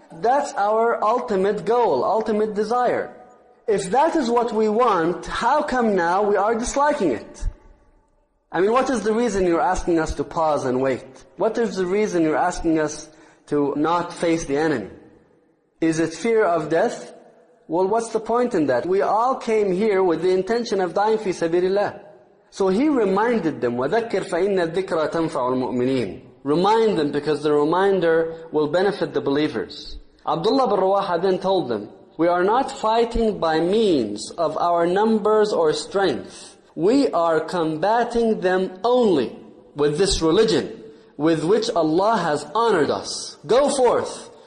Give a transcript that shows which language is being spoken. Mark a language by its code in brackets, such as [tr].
[en] That's our ultimate goal, ultimate desire. If that is what we want, how come now we are disliking it? I mean, what is the reason you're asking us to pause and wait? What is the reason you're asking us to not face the enemy? Is it fear of death? Well, what's the point in that? We all came here with the intention of dying fi sabilillah. So he reminded them, [ar] وَذَكِّرْ فَإِنَّ الذِّكْرَ تَنْفَعُ الْمُؤْمِنِينَ. [en] Remind them, because the reminder will benefit the believers. Abdullah bin Rawaha then told them, "We are not fighting by means of our numbers or strength. We are combating them only with this religion with which Allah has honored us. Go forth.